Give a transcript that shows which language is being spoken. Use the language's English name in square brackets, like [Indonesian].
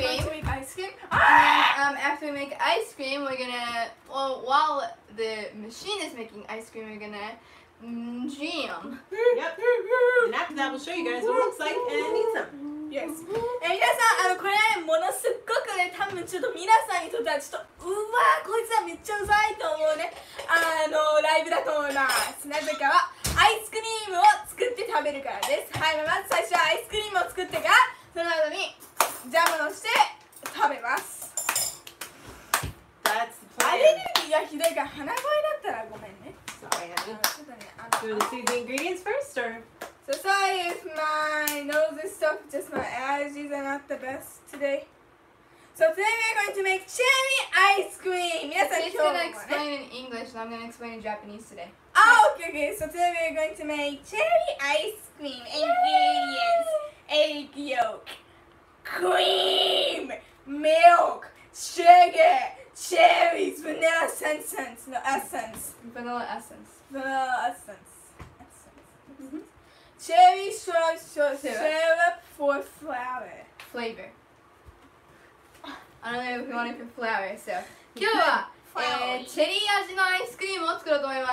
[English] After we make ice cream, we're gonna, well, while the machine is making ice cream, we're gonna jam. Yep. And after that, we'll show you guys what it looks like and eat some. Yes. [Japanese] And 皆さん、これはものすごくね、多分ちょっと皆さんにとってはちょっと、うわー、こいつはめっちゃうざいと思うね、ライブだと思います。なぜかは、アイスクリームを作って食べるからです。はい、まず最初はアイスクリームを作ってから、その後にジャムをして食べます。アレルギーがひどいから鼻声だったらごめんね。 [English] Sorry, Anna. Do you see the ingredients first, or? So sorry if my nose is stuffed, just my allergies are not the best today. So today we are going to make cherry ice cream. She's gonna explain in English and I'm gonna explain in Japanese today. Oh, okay. So today we are going to make cherry ice cream. Ingredients: egg yolk, cream, milk, sugar. Cherries, vanilla essence, no essence. Vanilla essence. Mm-hmm. Cherry syrup for flour. Flavor. I don't know if we want it for flour, so. [Japanese] 今日は、チェリー味のアイスクリームを作ろうと思います。